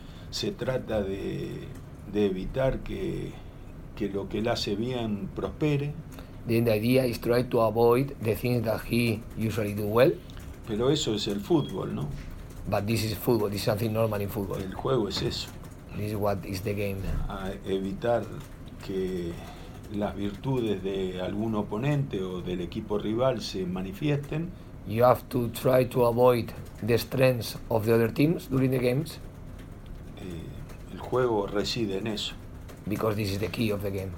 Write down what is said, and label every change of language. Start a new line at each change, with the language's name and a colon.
Spanish: se trata de evitar que lo que él hace bien prospere.
English: Then the idea is try to avoid the things that he usually do well.
Spanish: Pero eso es el fútbol, ¿no?
English: But this is football. This is something normal in football.
Spanish: El juego es eso.
English: This is what is the game.
Spanish: A evitar que las virtudes de algún oponente o del equipo rival se manifiesten.
English: You have to try to avoid the strengths of the other teams during the games.
Spanish: El juego reside en eso.
English: Because this is the key of the game.